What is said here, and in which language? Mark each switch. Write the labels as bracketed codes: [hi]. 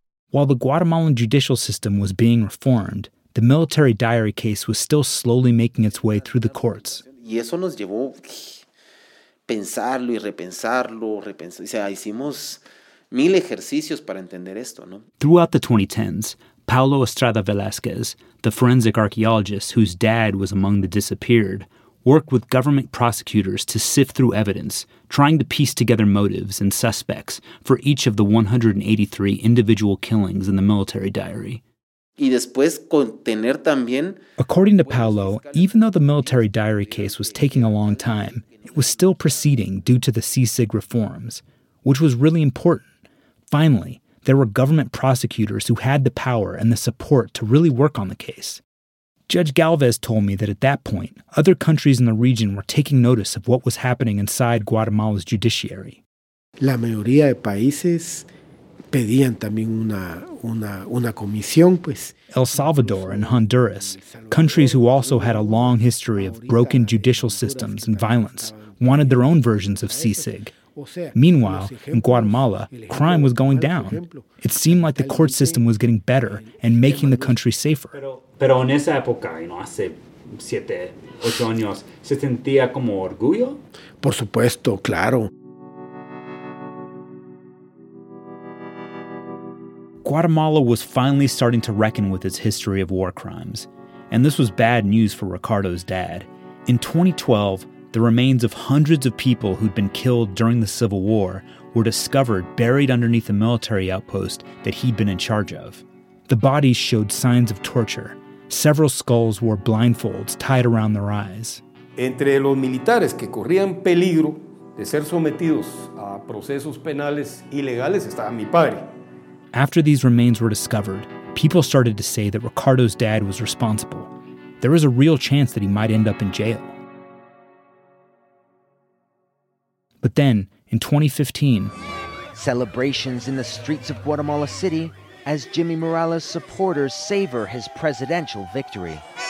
[en] While the Guatemalan judicial system was being reformed, the military diary case was still slowly making its way through the courts. [es] Y eso nos llevó pensarlo y repensarlo, repensarlo. O sea, hicimos mil ejercicios para entender esto, ¿no? [en] Throughout the 2010s, Paulo Estrada Velázquez, the forensic archaeologist whose dad was among the disappeared, worked with government prosecutors to sift through evidence, trying to piece together motives and suspects for each of the 183 individual killings in the military diary. [es] Y después con tener también... [en] According to Paulo, even though the military diary case was taking a long time, it was still proceeding due to the CSIG reforms, which was really important. Finally, there were government prosecutors who had the power and the support to really work on the case. Judge Galvez told me that at that point, other countries in the region were taking notice of what was happening inside Guatemala's judiciary. [es] La mayoría de países pedían también una comisión, pues. [en] El Salvador and Honduras, countries who also had a long history of broken judicial systems and violence, wanted their own versions of CSIG. Meanwhile, in Guatemala, crime was going down. It seemed like the court system was getting better and making the country safer. [es] Pero en esa época, ¿no? Hace 7, 8 años, ¿se sentía como orgullo? Por supuesto, claro. [en] Guatemala was finally starting to reckon with its history of war crimes. And this was bad news for Ricardo's dad. In 2012, the remains of hundreds of people who'd been killed during the Civil War were discovered buried underneath a military outpost that he'd been in charge of. The bodies showed signs of torture. Several skulls wore blindfolds tied around their eyes. [es] Entre los militares que corrían peligro de ser sometidos a procesos penales ilegales estaba mi padre. [en] After these remains were discovered, people started to say that Ricardo's dad was responsible. There was a real chance that he might end up in jail. But then, in 2015... Celebrations in the streets of Guatemala City as Jimmy Morales' supporters savor his presidential victory.